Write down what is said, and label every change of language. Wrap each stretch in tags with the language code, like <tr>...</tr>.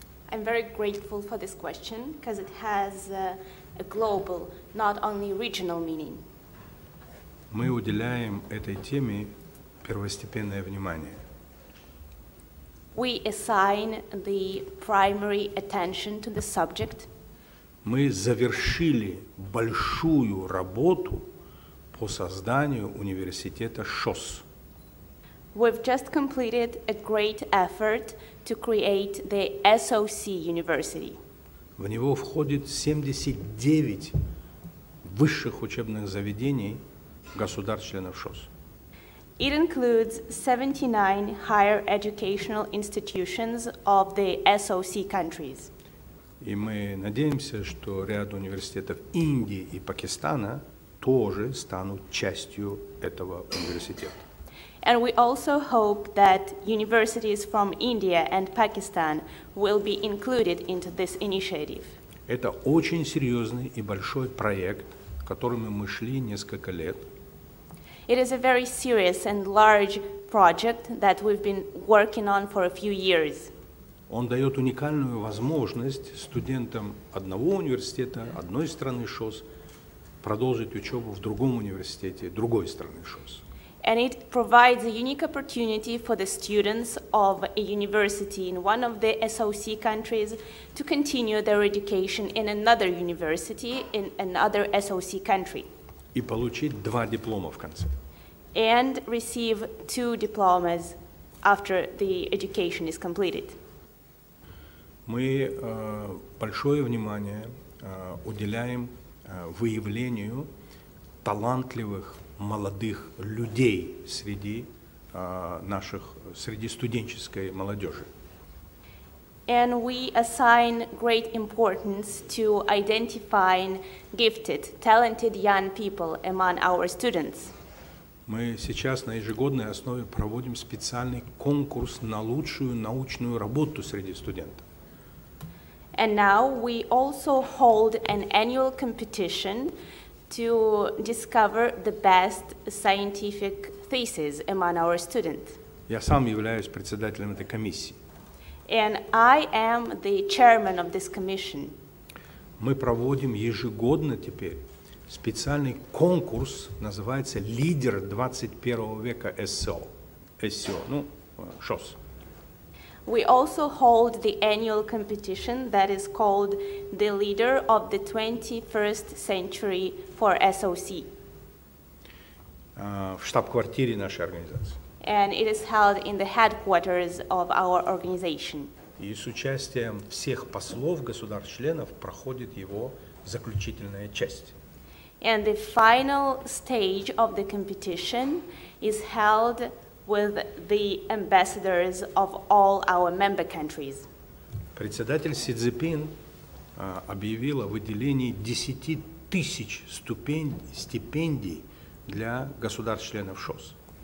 <en>I'm very grateful for this question because it has a global, not only regional meaning.</en> <ru>Мы уделяем этой теме первостепенное внимание.</ru> <en>We assign the primary attention to the subject.</en> <ru>Мы завершили большую работу по созданию университета ШОС.</ru> <en>We've just completed a great effort to create the SOC University.</en> <ru>В него входит 79 высших учебных заведений государств-членов ШОС.</ru> <en>It includes 79 higher educational institutions of the SOC countries.</en> <ru>И мы надеемся, что ряд университетов Индии и Пакистана тоже станут частью этого университета.</ru> <en>And we also hope that universities from India and Pakistan will be included into this initiative.</en> <ru>Это очень серьезный и большой проект, к которому мы шли несколько лет.</ru> <en>It is a very serious and large project that we've been working on for a few years.</en> <ru>Он дает уникальную возможность студентам одного университета, одной страны ШОС, продолжить учебу в другом университете, другой страны ШОС.</ru> <en>And it provides a unique opportunity for the students of a university in one of the SOC countries to continue their education in another university in another SOC country.</en> <ru>И получить два диплома в конце.</ru> <en>And receive two diplomas after the education is completed.</en> <ru>Мы большое внимание уделяем выявлению талантливых молодых людей среди наших, среди студенческой молодежи.</ru> <en>And we assign great importance to identifying gifted, talented young people among our students.</en> <ru>Мы сейчас на ежегодной основе проводим специальный конкурс на лучшую научную работу среди студентов.</ru> <en>And now we also hold an annual competition to discover the best scientific thesis among our students.</en> <ru>Я сам являюсь председателем этой комиссии.</ru> <en>And I am the chairman of this commission.</en> <ru>Мы проводим ежегодно теперь специальный конкурс, называется «Лидер 21 века SEO», ну, ШОС.</ru> <en>We also hold the annual competition that is called «The Leader of the 21st Century for SOC».</en> <ru>В штаб-квартире нашей организации.</ru> <en>And it is held in the headquarters of our organization.</en> <ru>И с участием всех послов государств-членов проходит его заключительная часть.</ru> <en>And the final stage of the competition is held with the ambassadors of all our member countries.</en> <ru>Председатель Си Цзиньпин объявил о выделении 10 тысяч стипендий для государств-членов ШОС.</ru>